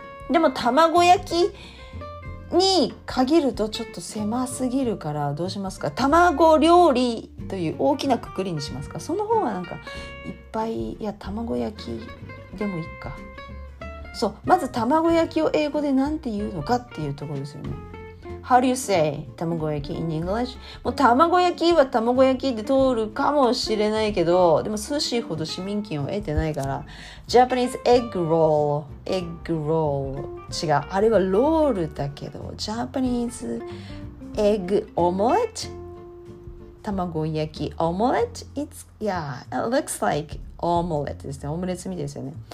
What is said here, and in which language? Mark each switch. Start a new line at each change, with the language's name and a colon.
Japanese: でも卵焼きに限るとちょっと狭すぎるから、どうしますか、卵料理という大きな括りにしますか。その方がなんかいっぱい、いや、卵焼きでもいいか。そう、まず卵焼きを英語でなんて言うのかっていうところですよね。
English: How do you say 卵焼き in English?
Japanese: もう卵焼きは卵焼きで通るかもしれないけど、でも寿司ほど市民権を得てないから。
English: Japanese egg roll, egg roll.
Japanese: 違う。あれはロールだけど、
English: Japanese egg omelette? 卵焼き omelette? It's, yeah, it looks like omelette
Japanese: ですね。オムレツみたいですよね。